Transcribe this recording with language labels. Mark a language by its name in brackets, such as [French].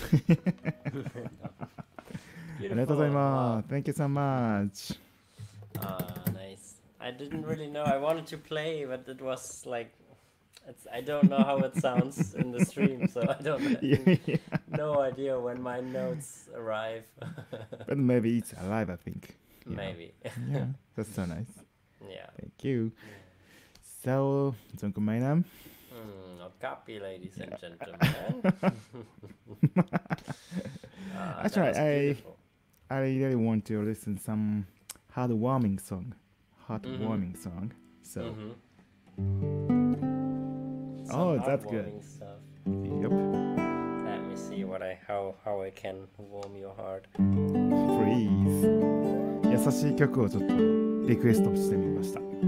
[Japanese] ありがとうございます。 [English] Thank you so much. Ah, nice. I didn't really know. I wanted to play, but it was like, it's, I don't know how it sounds in the stream, so I don't have no idea when my notes arrive. But maybe it's alive, I think. Maybe. Yeah, that's so nice. Yeah. Thank you. So, Sönke Meinen. Okapi, ladies and gentlemen. I really want to listen to some heartwarming song. Heartwarming song. So. some heartwarming stuff. Yep. Let me see what I how I can warm your heart. Please. [Japanese] 優しい曲をちょっとリクエストしてみました。